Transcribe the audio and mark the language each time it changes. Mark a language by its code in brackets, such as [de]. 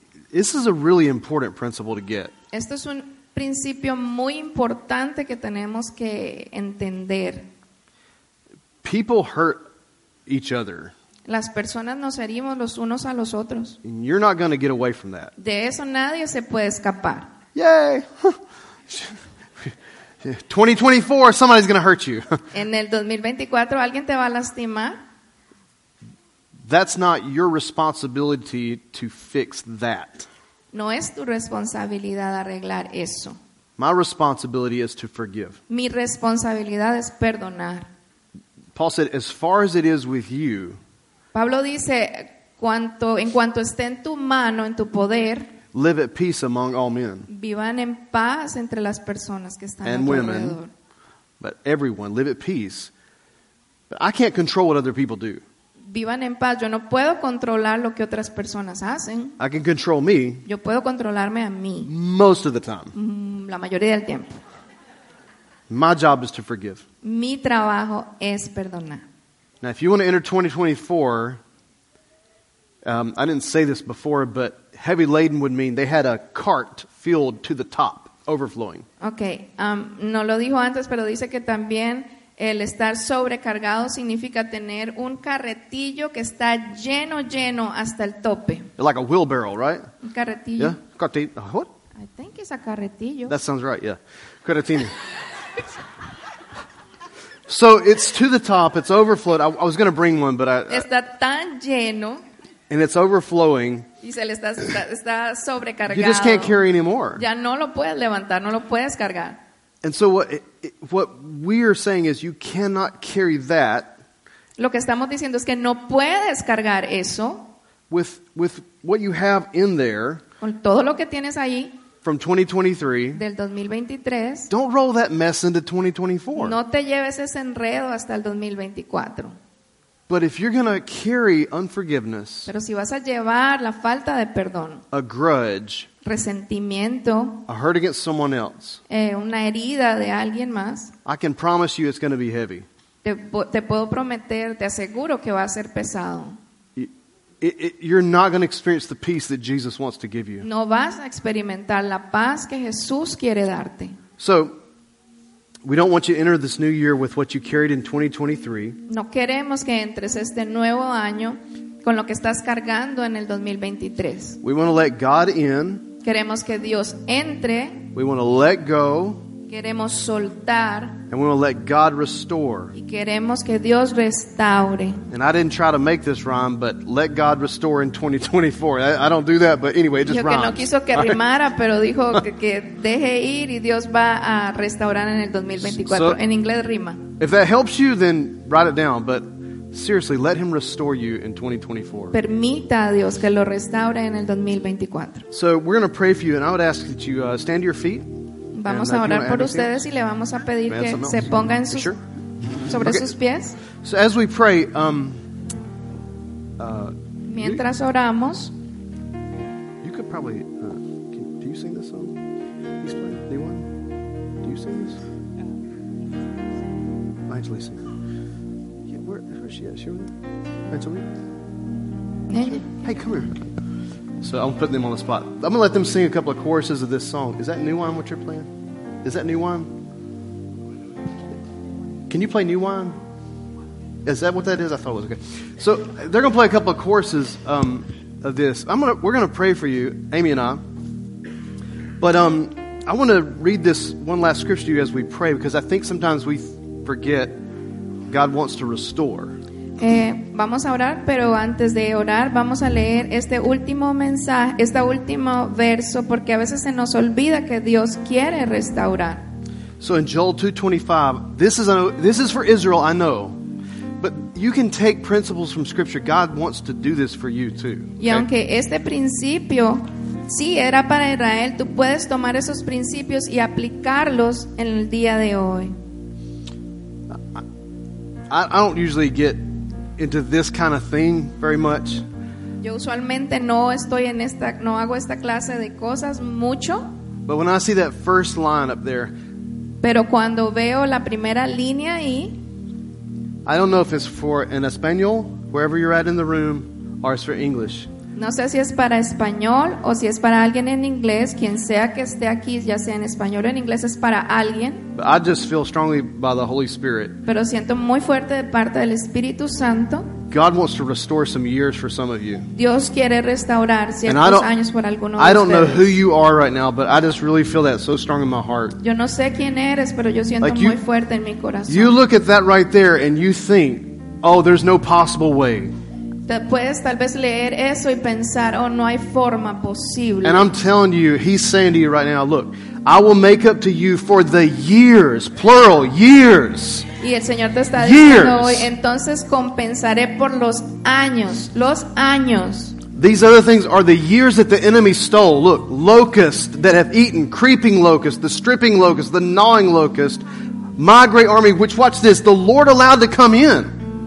[en] This is a really important principle to get. [es] Esto es un principio muy importante que tenemos que entender. [en] People hurt each other. [es] Las personas nos herimos los unos a los otros. [en] And you're not going to get away from that. [es] De eso nadie se puede escapar. Yay! [en] 2024, somebody's going to hurt you. [es] En el 2024, alguien te va a lastimar. [en] That's not your responsibility to fix that. [es] No es tu responsabilidad arreglar eso. [en] My responsibility is to forgive. [es] Mi responsabilidad es perdonar. [en] Paul said, as far as it is with you. [es] Pablo dice, en cuanto esté en tu mano, en tu poder. [en] Live at peace among all men. [es] Vivan en paz entre las personas que están [en] and women. But everyone, live at peace. But I can't control what other people do. [es] Vivan en paz. Yo no puedo controlar lo que otras personas hacen. [en] I can control me. [es] Yo puedo controlarme a mí. [en] Most of the time. [es] La mayoría del tiempo. [en] My job is to forgive. [es] Mi trabajo es perdonar. [en] Now, if you want to enter 2024, I didn't say this before, but heavy laden would mean they had a cart filled to the top, overflowing. [es] Okay, no lo dijo antes, pero dice que también el estar sobrecargado significa tener un carretillo que está lleno, lleno hasta el tope. [en] Like a wheelbarrow, right? [es] Un carretillo. [en] Yeah, carretillo. What? I think it's a carretillo. That sounds right, yeah. Carretillo. So it's to the top, it's overflowed. I was going to bring one, but I... [es] Está tan lleno. [en] And it's overflowing. [es] Y se le está sobrecargado. [en] You just can't carry anymore. [es] Ya no lo puedes levantar, no lo puedes cargar. [en] And so what we are saying is you cannot carry that. [es] Lo que estamos diciendo es que no puedes cargar eso. [en] With what you have in there. [es] Con todo lo que tienes ahí. [en] from 2023, [es] del 2023, [en] don't roll that mess into 2024. [es] No te lleves ese enredo hasta el 2024. [en] But if you're going to carry unforgiveness, [es] pero si vas a llevar la falta de perdón, [en] a grudge, [es] resentimiento, [en] a hurt against someone else, [es] una herida de alguien más, [en] I can promise you it's going to be heavy. [es] Te puedo prometer, te aseguro que va a ser pesado. [en] You're not going to experience the peace that Jesus wants to give you. [es] No vas a experimentar la paz que Jesús quiere darte. [en] So, we don't want you to enter this new year with what you carried in 2023. [es] No queremos que entres este nuevo año con lo que estás cargando en el 2023. [en] We want to let God in. [es] Queremos que Dios entre. [en] We want to let go. [es] Queremos soltar. [en] And we want to let God restore. [es] Y queremos que Dios restaure. [en] And I didn't try to make this rhyme, but let God restore in 2024. I don't do that, but anyway, it just rhymes. [es] Dijo que no quiso que rimara, pero dijo que deje ir y Dios va a restaurar en el 2024. En inglés rima. [en] If that helps you, then write it down. But seriously, let him restore you in 2024. [es] Permita a Dios que lo restaure en el 2024. [en] So we're going to pray for you, and I would ask that you stand to your feet. [es] Vamos a orar por ustedes y le vamos a pedir que se ponga en sus, sobre sus pies. [en] So as we pray, [es] mientras oramos, [en] you could probably, do you sing this song? He's playing the one. Do you sing this? Angel, sing. Yeah, where is she at? Sure. Angel, hey, come here. So I'm putting them on the spot. I'm going to let them sing a couple of choruses of this song. Is that New Wine, what you're playing? Is that New Wine? Can you play New Wine? Is that what that is? I thought it was okay. So they're going to play a couple of choruses of this. We're going to pray for you, Amy and I. But I want to read this one last scripture to you as we pray, because I think sometimes we forget God wants to restore. [es] Vamos a orar, pero antes de orar vamos a leer este último mensaje, este último verso, porque a veces se nos olvida que Dios quiere restaurar. [en] So in Joel 2:25, this is for Israel, I know, but you can take principles from Scripture. God wants to do this for you too. [es] Y okay? Aunque este principio sí era para Israel, tú puedes tomar esos principios y aplicarlos en el día de hoy. [en] I don't usually get into this kind of thing very much. [es] Yo usualmente no estoy en esta, no hago esta clase de cosas mucho. [en] But when I see that first line up there, [es] pero cuando veo la primera línea ahí, [en] I don't know if it's for in español, wherever you're at in the room, or it's for English. [es] No sé si es para español o si es para alguien en inglés, quien sea que esté aquí, ya sea en español o en inglés, es para alguien. [en] But I just feel strongly by the Holy Spirit. [es] Pero siento muy fuerte de parte del Espíritu Santo. [en] God wants to restore some years for some of you. [es] Dios quiere restaurar ciertos años por algunos de [en] ustedes. I don't know who you are right now, but I just really feel that so strong in my heart. [es] Yo no sé quién eres, pero yo siento [en] like you, [es] muy fuerte en mi corazón. [en] You look at that right there and you think, oh, there's no possible way. [es] Puedes tal vez leer eso y pensar, oh, no hay forma posible. [en] And I'm telling you, he's saying to you right now, look, I will make up to you for the years, plural, years. [es] Y el Señor te está years. Diciendo hoy, entonces compensaré por los años. [en] These other things are the years that the enemy stole. Look, locusts that have eaten, creeping locusts, the stripping locusts, the gnawing locusts, my great army, which, watch this, the Lord allowed to come in.